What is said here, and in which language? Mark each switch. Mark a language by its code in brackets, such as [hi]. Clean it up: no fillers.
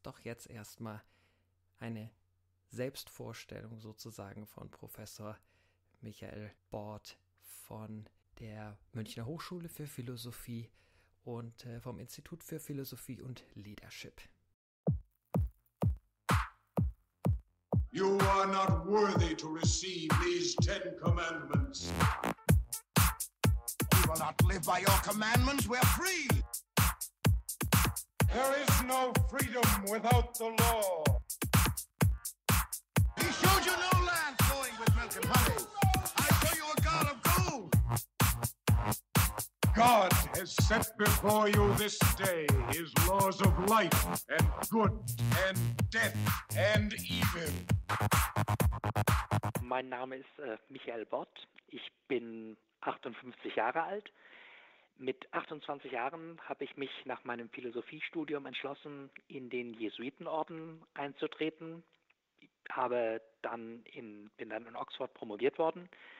[de] Doch jetzt erstmal eine Selbstvorstellung sozusagen von Professor Michael Bort von der Münchner Hochschule für Philosophie und vom Institut für Philosophie und Leadership. [en] You are not worthy to receive these 10 commandments. We will not live by your commandments, we're free. There is no freedom without the law. He showed you no land flowing with milk and honey. I show you a god of gold. God has set before you this day his laws of life and good and death and evil. [de] Mein Name ist Michael Bort. Ich bin 58 Jahre alt. Mit 28 Jahren habe ich mich nach meinem Philosophiestudium entschlossen, in den Jesuitenorden einzutreten. Bin dann in Oxford promoviert worden.